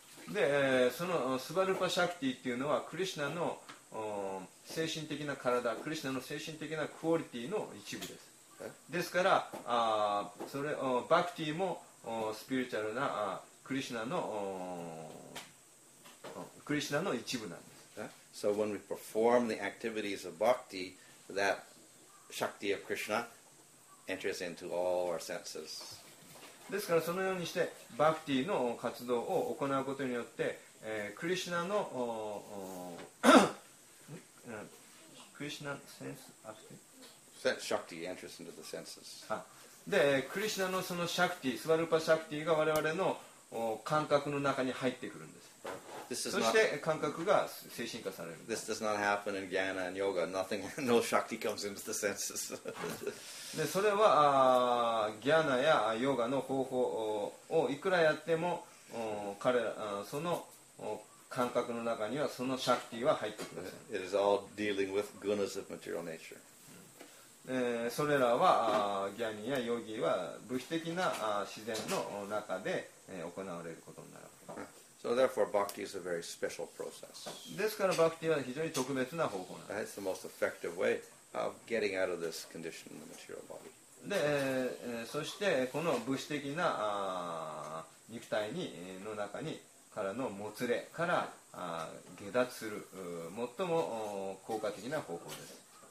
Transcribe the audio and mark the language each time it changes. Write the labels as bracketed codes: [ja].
[ja] で、そのスワルーパシャクティというのはクリシナの精神的な体、クリシナの精神的なクオリティの一部です。ですから、それバクティもスピリチュアルなクリシナのクリシナの一部なんです。 [en] So when we perform the activities of bhakti, that shakti of Krishna enters into all our senses. [ja] ですからそのようにしてバクティの活動を行うことによって、クリシナのクリシナセンスアクティ [en] 、シャクティ enters into the senses. [ja] でクリシナのそのシャクティ、スワルパシャクティが我々の感覚の中に入ってくるんです。そして感覚が精神化される。 [en] This does not happen in Jnana and Yoga. Nothing, no Shakti comes into the senses. [ja] でそれはJnanaやYogaの方法をいくらやっても彼らその感覚の中にはそのShakti は入ってきません。 [en] It is all dealing with gunas of material nature. [ja] それらはJnani やYogiは物質的な自然の中で行われることになる。 [en] So therefore, bhakti is a very special process. [ja] ですからバクティは非常に特別な方法なんです。 [en] That's the most effective way of getting out of this condition in the material body. [ja] で、そしてこの物質的な肉体にの中にからのもつれから下脱する最も効果的な方法です。